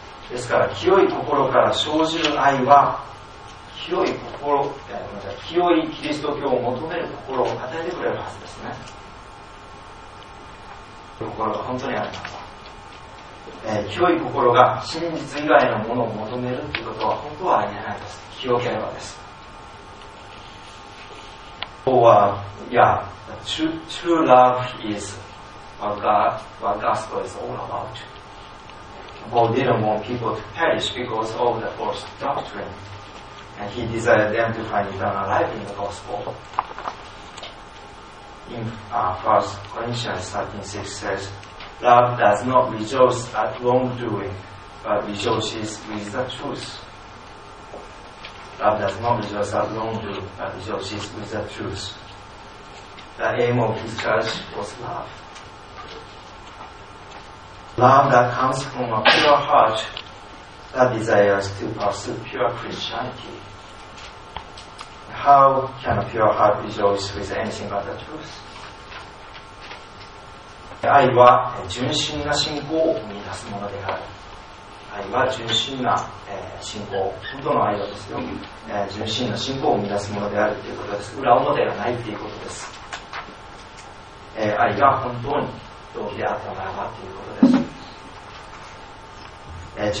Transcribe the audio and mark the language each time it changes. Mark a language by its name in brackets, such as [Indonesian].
[Japanese] ですから清い心から生じる愛は清い心、清いキリスト教を求める心を与えてくれるはずですね。心が本当にあります。清い心が真実以外のものを求めるということは本当はありえないです。清ければです。 [English] True love is what gospel is all about. God didn't want people to perish because of the false doctrine, and He desired them to find eternal life in the gospel. In 1 Corinthians 13:6 says, "Love does not rejoice at wrongdoing, but rejoices with the truth." Love does not rejoice at wrongdoing, but rejoices with the truth. The aim of his church was love. Love that comes from a pure heart that desires to pursue pure Christianity. How can a pure heart rejoice with anything but the truth? [Japanese] 愛は純真な信仰を生み出すものである。愛は純真な信仰、本当の愛はですよ、純真な信仰を生み出すものであるということです。裏表がないということです。愛が本当に動機であったならばということです。